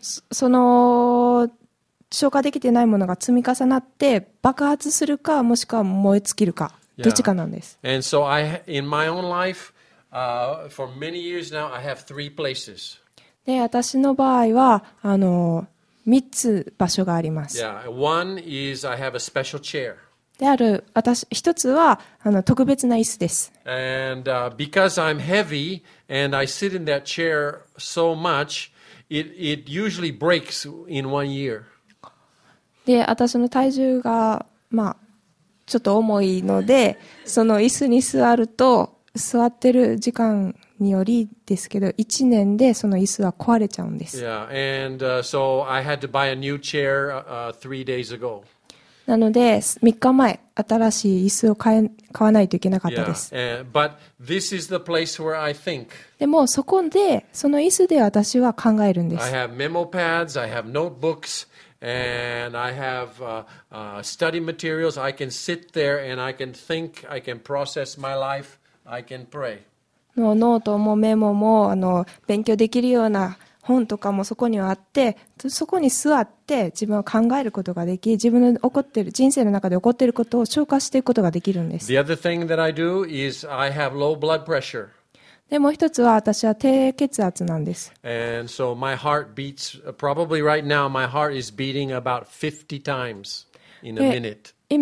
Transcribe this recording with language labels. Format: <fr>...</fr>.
<ja>その消化できてないものが積み重なって爆発するか、もしくは燃え尽きるか、どっちかなんです。</ja> <en>And so I, in my own life, for many years now, I have three places.</en> <ja>で私の場合は3つ場所があります。 Yeah.</ja> <en>One is I have a special chair.</en> <ja>である私一つは特別な椅子です。</ja> <en>And because I'm heavy and I sit in that chair so much, it usually breaks in one year.</en> <ja>で私の体重がまあちょっと重いので、その椅子に座ると座ってる時間によりですけど、1年でその椅子は壊れちゃうんです。</ja> <en>Yeah, and so I had to buy a new chair three days ago.</en> <ja>なので3日前新しい椅子を買わないといけなかったです。</ja> <en>yeah, but this is the place where I think.</en> <ja>でもそこでその椅子で私は考えるんです。</ja> <en>I have memo pads, I have notebooks, and I have study materials. I can sit there and I can think, I can process my life, I can pray.</en> <ja>ノートもメモも勉強できるような本とかもそこにはあって、そこに座って自分は考えることができ、自分の起こっている人生の中で起こっていることを消化していくことができるんです。</ja> <en>The other thing that I do is I have low blood pressure.</en> <ja>でもう一つは私は低血圧なんです。</ja> <en>And so my heart beats, probably right now my heart is beating about 50 times in a minute.</en>